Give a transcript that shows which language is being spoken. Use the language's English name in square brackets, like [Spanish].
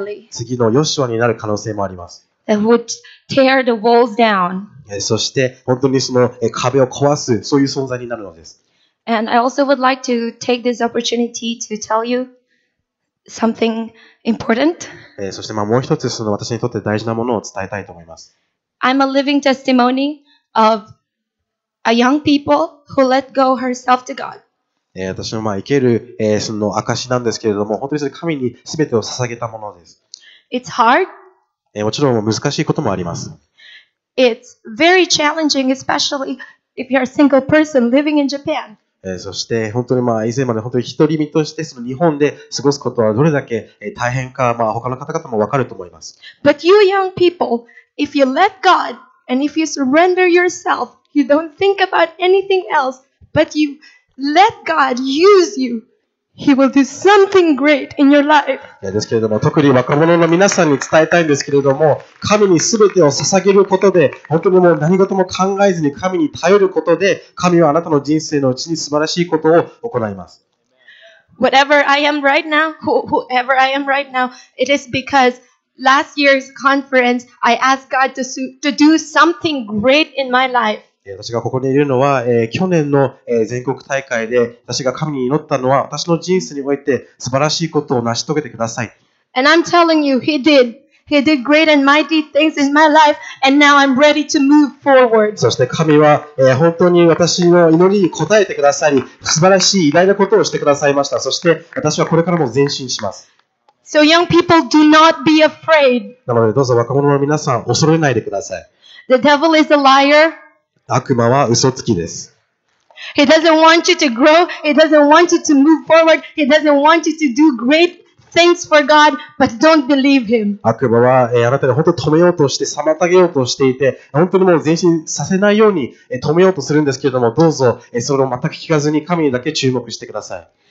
[Japanese] 次のヨシュアになる可能性もあります。そして本当にその壁を壊すそういう存在になるのです。 [English] And I also would like to take this opportunity to tell you something important. [Japanese] そしてまあもう一つその私にとって大事なものを伝えたいと思います。 [English] I'm a living testimony of a young people who let go herself to God. [Japanese] 私のまあ生けるその証なんですけれども、本当に神にすべてを捧げたものです。 [English] It's hard. [Japanese] もちろん難しいこともあります。 [English] It's very challenging, especially if you're a single person living in Japan. [Japanese] そして本当にまあ以前まで本当に独り身としてその日本で過ごすことはどれだけ大変かまあ他の方々も分かると思います。 [English] But you young people, if you let God and if you surrender yourself, you don't think about anything else, but you let God use you, He will do something great in your life. [Japanese] ですけれども特に若者の皆さんに伝えたいんですけれども神にすべてを捧げることで本当にもう何事も考えずに神に頼ることで神はあなたの人生のうちに素晴らしいことを行います。 [English] Whatever I am right now, whoever I am right now, it is because last year's conference, I asked God to do something great in my life. [Japanese] 私がここにいるのは、去年の、全国大会で私が神に祈ったのは私の人生において素晴らしいことを成し遂げてください。 [English] And I'm telling you, he did. He did great and mighty things in my life, and now I'm ready to move forward. [Japanese] そして神は、本当に私の祈りに応えてくださり、素晴らしい偉大なことをしてくださいました。そして私はこれからも前進します。 [English] So young people, do not be afraid. [Japanese] なのでどうぞ若者の皆さん、恐れないでください。 [English] The devil is a liar. [Japanese] 悪魔は嘘つきです。 [English] He doesn't want you to grow. He doesn't want you to move forward. He doesn't want you to do great things for God, but don't believe him. [Japanese] 悪魔は、あなたに本当に止めようとして、妨げようとしていて、本当にもう前進させないように、止めようとするんですけれども、どうぞ、それを全く聞かずに神にだけ注目してください。